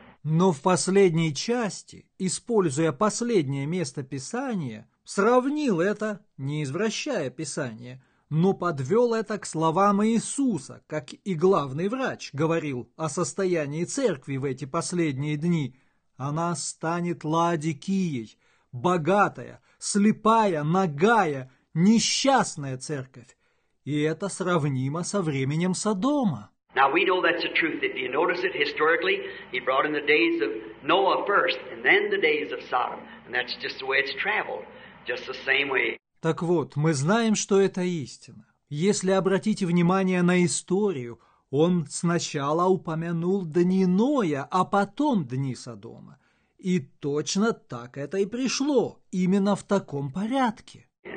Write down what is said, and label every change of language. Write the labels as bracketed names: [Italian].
[Russian] Но в последней части, используя последнее место Писания, сравнил это, не извращая Писание, но подвел это к словам Иисуса, как и главный врач говорил о состоянии церкви в эти последние дни. Она станет Лаодикией, богатая, слепая, нагая, несчастная церковь. И это сравнимо со временем Содома. [English] Now we know that's the truth. If you notice it historically, he brought in the days of Noah first, and then the days of Sodom. And that's just the way it's traveled, just the same way. [Russian] Так вот, мы знаем, что это истина. Если обратите внимание на историю, он сначала упомянул дни Ноя, а потом дни Содома. И точно так это и пришло, именно в таком порядке.